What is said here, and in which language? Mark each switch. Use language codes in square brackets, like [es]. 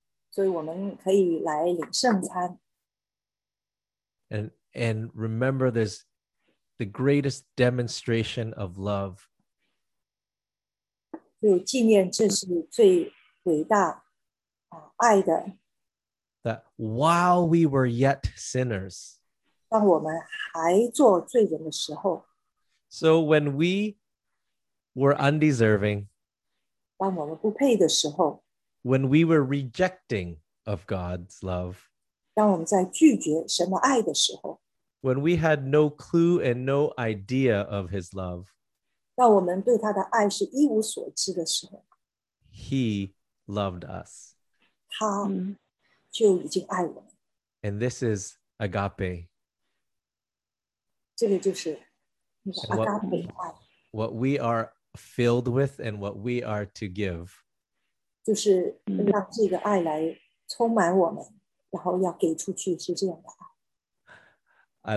[zh] 所以我们可以来领圣餐。 [en] And remember this, the greatest demonstration of love. [zh] 就纪念这是最伟大爱的。 [en] That while we were yet sinners. [zh] 当我们还做罪人的时候。 [en] So when we were undeserving. [zh] 当我们不配的时候。 [en] When we were rejecting of God's love, [zh] 当我们在拒绝神的爱的时候, [en] when we had no clue and no idea of His love, [zh] 当我们对他的爱是一无所知的时候, [en] He loved us. [zh] 他就已经爱我们。 [en] And this is agape. [zh] 这个就是 agape 爱。 [en] What we are filled with and what we are to give. [zh] 就是让这个爱来充满我们，然后要给出去是这样的爱。